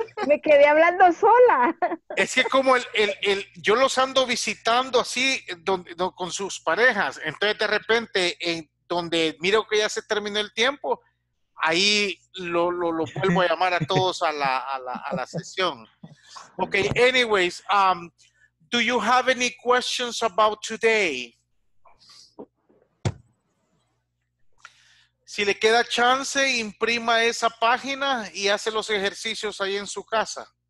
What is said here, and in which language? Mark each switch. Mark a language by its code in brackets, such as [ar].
[es] Me quedé hablando sola. Es que como el yo los ando visitando así donde con sus parejas, entonces de repente en donde miro que ya se terminó el tiempo, ahí lo vuelvo a llamar a todos a la sesión. [en] Okay, anyways, do you have any questions about today? [es] Si le queda chance, imprima esa página y hace los ejercicios ahí en su casa.